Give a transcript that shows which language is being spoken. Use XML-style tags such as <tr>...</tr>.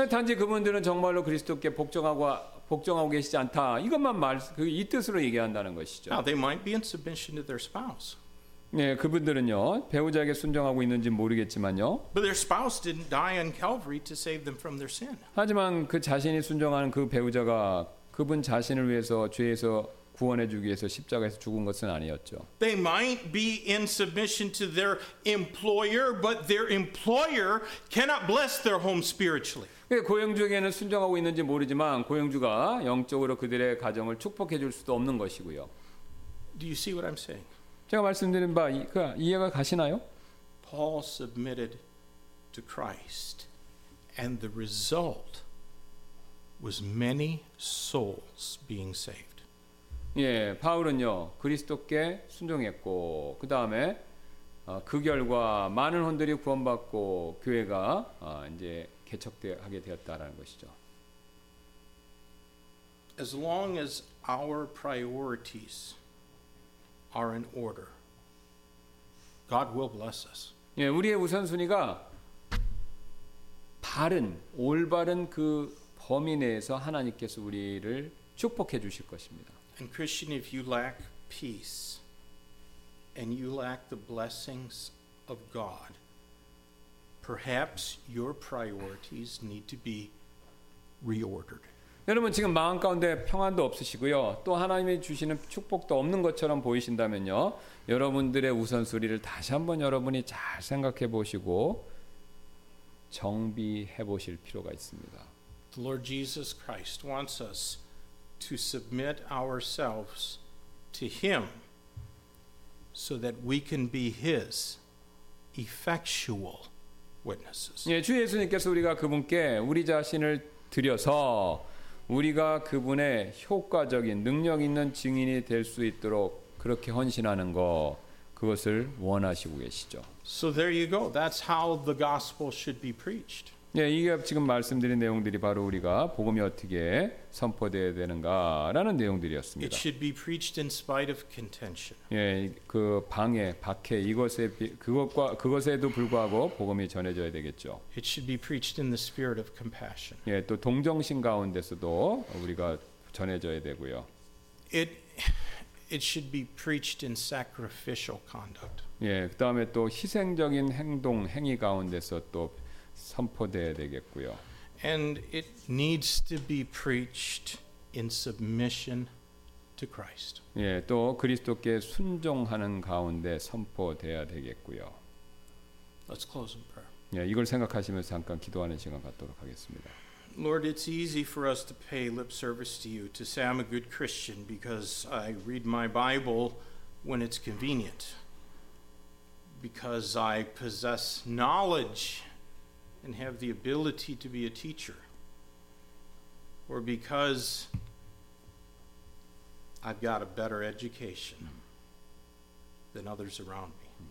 <ko>네, 단지 그분들은 정말로 그리스도께 복종하고 계시지 않다. 이것만 이 뜻으로 얘기한다는 것이죠.</ko> <en>Now, they might be in submission to their spouse.</en> <ko>네, 그분들은요 배우자에게 순종하고 있는지 모르겠지만요.</ko> <en>But their spouse didn't die on Calvary to save them from their sin.</en> <ko>하지만 그 자신이 순종하는 그 배우자가 그분 자신을 위해서 죄에서 구원해주기 위해서 십자가에서 죽은 것은 아니었죠.</ko> <en>They might be in submission to their employer, but their employer cannot bless their home spiritually.</en> <ko>고용주에게는 순종하고 있는지 모르지만 고용주가 영적으로 그들의 가정을 축복해 줄 수도 없는 것이고요.</ko> <en>Do you see what I'm saying?</en> <ko>제가 말씀드린 바 이해가 가시나요?</ko> <en>Paul submitted to Christ and the result was many souls being saved.</en> <ko>예, 바울은요. 그리스도께 순종했고 그다음에 그 결과 많은 혼들이 구원받고 교회가 이제 개척하게 되었다라는 것이죠.</ko> <en>As long as our priorities are in order, God will bless us.</en> <ko>예, 우리의 우선순위가 바른, 올바른 그 범위 내에서 하나님께서 우리를 축복해 주실 것입니다.</ko> <en>And Christian, if you lack peace and you lack the blessings of God, perhaps your priorities need to be reordered.</en> <ko>여러분 지금 마음 가운데 평안도 없으시고요. 또 하나님이 주시는 축복도 없는 것처럼 보이신다면요. 여러분들의 우선순위를 다시 한번 여러분이 잘 생각해 보시고 정비해 보실 필요가 있습니다.</ko> <en>The Lord Jesus Christ wants us to submit ourselves to him so that we can be his effectual witnesses.</en> <ko>예, 주 예수님께서 우리가 그분께 우리 자신을 드려서 우리가 그분의 효과적인 능력 있는 증인이 될 수 있도록 그렇게 헌신하는 거 그것을 원하시고 계시죠.</ko> <en>So there you go. That's how the gospel should be preached.</en> <ko>예, 이게 지금 말씀드린 내용들이 바로 우리가 복음이 어떻게 선포되어야 되는가라는 내용들이었습니다.</ko> <en>It should be preached in spite of contention.</en> <ko>예, 그 방해, 박해 이것에 그것과 그것에도 불구하고 복음이 전해져야 되겠죠.</ko> <en>It should be preached in the spirit of compassion.</en> <ko>예, 또 동정심 가운데서도 우리가 전해져야 되고요.</ko> <en>It should be preached in sacrificial conduct.</en> <ko>예, 그다음에 또 희생적인 행동 행위 가운데서 또 선포되어야 되겠고요.</ko> <en>And it needs to be preached in submission to Christ.</en> <ko>예, 또 그리스도께 순종하는 가운데 선포되어야 되겠고요.</ko> <en>Let's close in prayer.</en> <ko>예, 이걸 생각하시면서 잠깐 기도하는 시간 갖도록 하겠습니다.</ko> <en>Lord, it's easy for us to pay lip service to you, to say I'm a good Christian because I read my Bible when it's convenient, because I possess knowledge and have the ability to be a teacher, or because I've got a better education than others around me.</en>